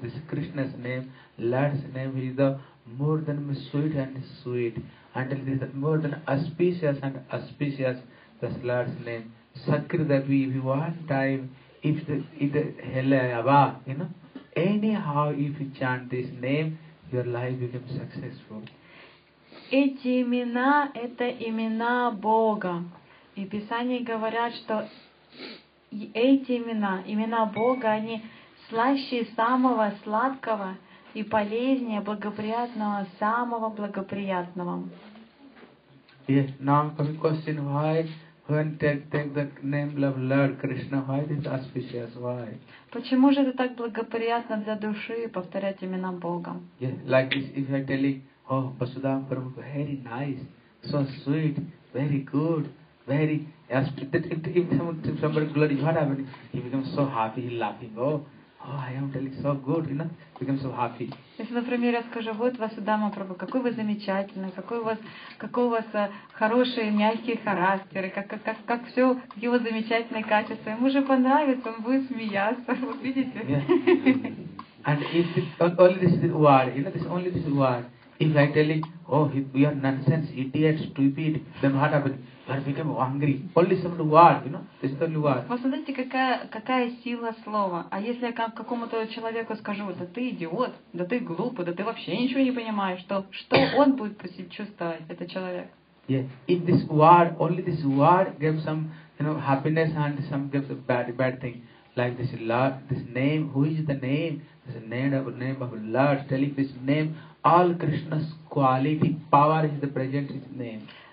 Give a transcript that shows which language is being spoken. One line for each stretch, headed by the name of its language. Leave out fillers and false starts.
English: This Krishna's name, Lord's name, is the more than sweet and sweet. And it is more than auspicious and auspicious, this Lord's name. Sakrida, if you want time, if the helayava, you know, anyhow, if you chant this name, your life becomes successful.
Russian: Эти имена – это имена Бога. И Писание говорят, что эти имена, имена Бога, они слаще самого сладкого и полезнее благоприятного, самого благоприятного.
English: Yes, now come question, why when take the name of Lord Krishna, why is it auspicious, why?
Russian: Почему же это так благоприятно для души повторять имена Бога?
English: Yes, like this, if I tell you, oh, Vasudham Prabhu, very nice, so sweet, very good, very auspicious. If somebody glory, what happened? He becomes so happy, he's laughing. Oh, I am telling so good, you know, he becomes so happy.
Russian: Если, например, я скажу, вот Vasudham Prabhu, какой вы замечательный, какой у вас хороший, мягкий характер, как все его замечательные качества. Ему же понравится, он будет смеяться, вот видите?
English: Yeah. And if only this word, you know, this only this word. If I tell you, oh, we are nonsense, idiots, stupid, then what happens? But become angry. Only some word, you know? This is only word.
Russian: Посмотрите, какая сила слова. А если я какому-то человеку скажу, да ты идиот, да ты глупый, да ты вообще ничего не понимаешь, то что он будет чувствовать, этот человек?
English: Yeah. If this word, only this word gives some, you know, happiness and some gives a bad thing. Like this Lord, this name, who is the name? This name of Lord, telling this name, all Krishna's quality, power is the present His name.